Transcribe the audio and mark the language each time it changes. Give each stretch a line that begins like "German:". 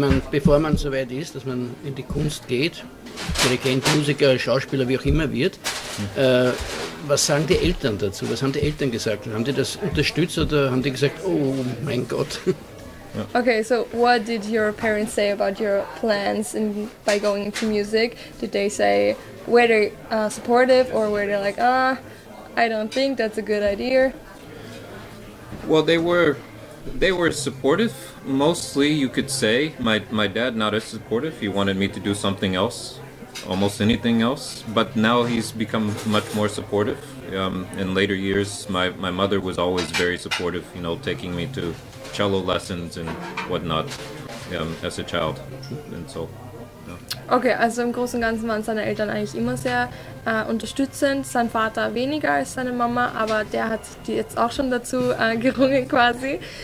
German: Bevor man so weit ist, dass man in die Kunst geht, Dirigent, Musiker, Schauspieler, wie auch immer wird, was sagen die Eltern dazu? Was haben die Eltern gesagt? Haben die das unterstützt oder haben die gesagt, oh mein Gott?
English: Okay, so what did your parents say about your plans by going into music? Did they say, were they supportive or were they like, I don't think that's a good idea? Well, they were supportive, mostly, you could say. My dad not as supportive, he wanted me to do something else. Almost anything else, but now he's become much more supportive. In later years, my mother was always very supportive, you know, taking me to cello lessons and whatnot as a child. And so, yeah.
German: Okay, also im Großen und Ganzen waren seine Eltern eigentlich immer sehr unterstützend, sein Vater weniger als seine Mama, aber der hat die jetzt auch schon dazu gerungen quasi.